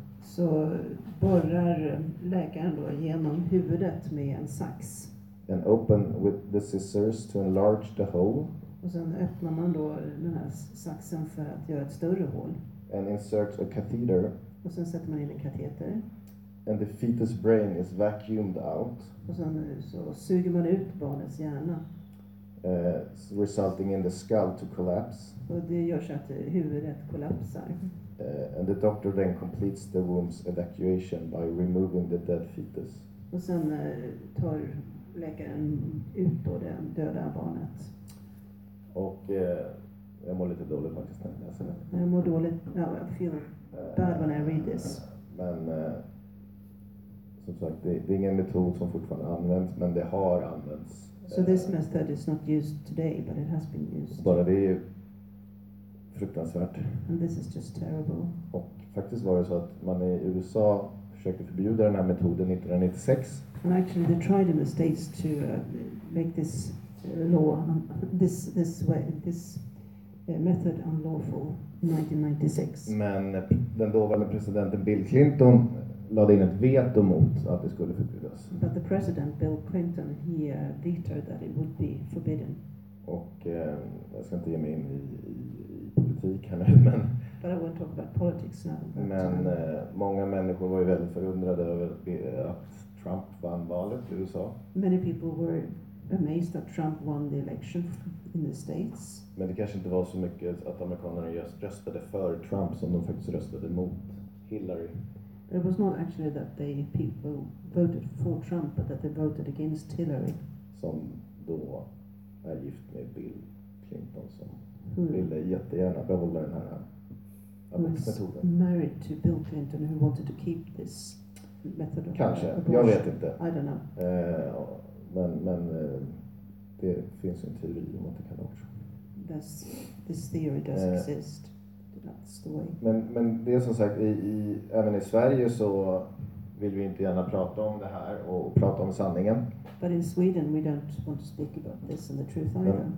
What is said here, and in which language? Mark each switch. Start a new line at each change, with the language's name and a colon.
Swedish: Så borrar läkaren då genom huvudet med en sax.
English: And open with the scissors to enlarge the hole.
Swedish: Och sen öppnar man då den här saxen för att göra ett större hål.
English: And insert a catheter.
Swedish: Och sen sätter man in en kateter.
English: And the fetus brain is vacuumed out.
Swedish: Och sen så suger man ut barnets hjärna.
English: Resulting in the skull to collapse.
Swedish: Och det gör så att huvudet kollapsar.
English: And the doctor then completes the womb's evacuation by removing the dead fetus.
Swedish: Och sen tar läkaren ut då det döda barnet. Och jag mår lite dåligt faktiskt när jag ser det. Jag mår dåligt.
English: I feel bad when I read this.
Swedish: Men som sagt, det är ingen metod som fortfarande används, men det har använts.
English: So this method is not used today, but it has been used.
Swedish: Bara det är fruktansvärt.
English: And this is just terrible.
Swedish: Och faktiskt var det så att man i USA försökte förbjuda den här metoden 1996.
English: And actually they tried in the States to make this law, this method unlawful in 1996.
Swedish: Men den dåvarande presidenten Bill Clinton lade in ett veto mot att det skulle förbjudas.
English: But the president Bill Clinton, he vetoed that it would be forbidden.
Swedish: Och jag ska inte ge mig in i politik här nu, men.
English: But I won't talk about politics now.
Swedish: Men många människor var ju väldigt förundrade över att Trump vann valet i USA.
English: Many people were amazed that Trump won the election in the States.
Swedish: Men det kanske inte var så mycket att amerikanerna just röstade för Trump som de faktiskt röstade mot Hillary.
English: It was not actually that the people voted for Trump, but that they voted against Hillary.
Swedish: Som då är gift med Bill Clinton, som ville jättegärna behålla den här abortmetoden.
English: Married to Bill Clinton, who wanted to keep this method of
Swedish: kanske,
English: abortion.
Swedish: Jag vet inte.
English: I don't know.
Swedish: Men det finns en teori om att det kan också.
English: This theory does exist. That's the way.
Swedish: Men det är som sagt, även i Sverige så vill vi inte gärna prata om det här och prata om sanningen.
English: But in Sweden we don't want to speak about this and the truth either.